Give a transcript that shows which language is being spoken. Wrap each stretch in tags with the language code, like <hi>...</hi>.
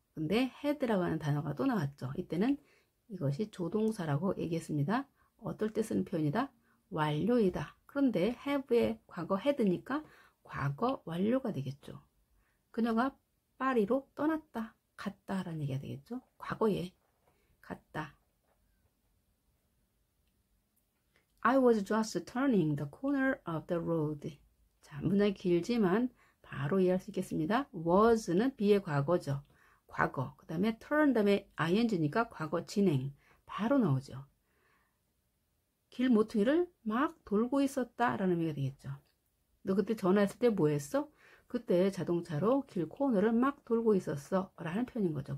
<ko>근데 had라고 하는 단어가 또 나왔죠. 이때는 이것이 조동사라고 얘기했습니다. 어떨 때 쓰는 표현이다? 완료이다. 그런데 have의 과거 had니까 과거 완료가 되겠죠. 그녀가 파리로 떠났다. 갔다라는 얘기가 되겠죠. 과거에 갔다.</ko> <en>I was just turning the corner of the road.</en> <ko>자, 문장이 길지만 바로 이해할 수 있겠습니다. was는 be의 과거죠. 과거. 그 다음에 turn 다음에 ing니까 과거 진행. 바로 나오죠. 길 모퉁이를 막 돌고 있었다라는 의미가 되겠죠. 너 그때 전화했을 때뭐 했어? 그때 자동차로 길 코너를 막 돌고 있었어 라는 표현인 거죠.</ko>